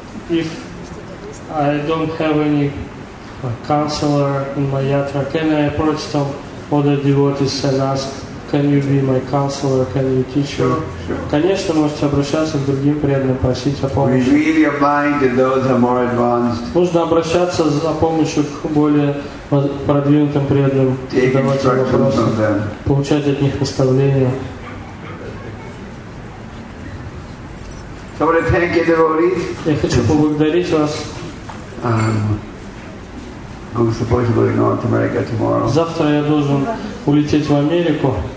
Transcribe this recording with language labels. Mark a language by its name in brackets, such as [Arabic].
[English] If I don't have any counselor in my yatra, can I approach some other devotees and ask, can you be my counselor, can you teach me? [Russian] Конечно, можете обращаться к другим преданным, просить о помощи. [English] We really abide to those who are more advanced. [Russian] Нужно обращаться за помощью к более продвинутым преданным, задавать вопросы, получать от них наставления. [English] So I want to thank you, devotees. [Russian] Я хочу поблагодарить вас. [English] I'm supposed to go to North America tomorrow. [Russian] Завтра я должен улететь в Америку.